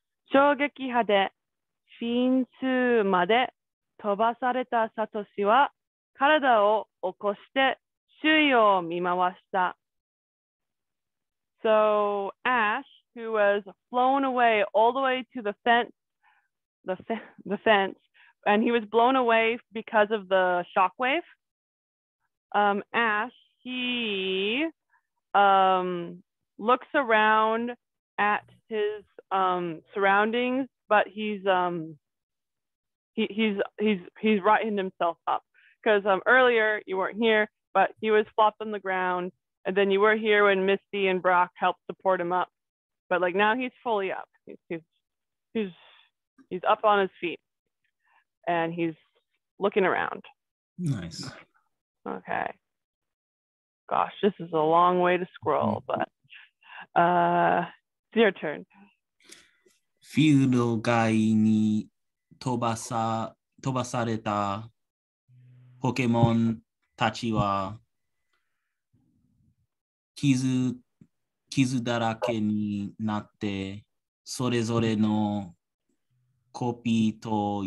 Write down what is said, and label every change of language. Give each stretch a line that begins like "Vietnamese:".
Japanese: 衝撃波でフィンツーまで飛ばされたサトシは体を起こして周囲を見回した。
English: So Ash, who was blown away all the way to the fence, and he was blown away because of the shockwave. Ash, he looks around at his surroundings, but he's righting himself up, because earlier you weren't here, but he was flopped on the ground, and then you were here when Misty and Brock helped support him up, but like now he's fully up, he's up on his feet, and he's looking around. Nice. Okay. Gosh, this is a long way to scroll, but it's your turn.
Japanese: フィールド外に飛ばされたポケモンたちは傷だらけになってそれぞれのコピーと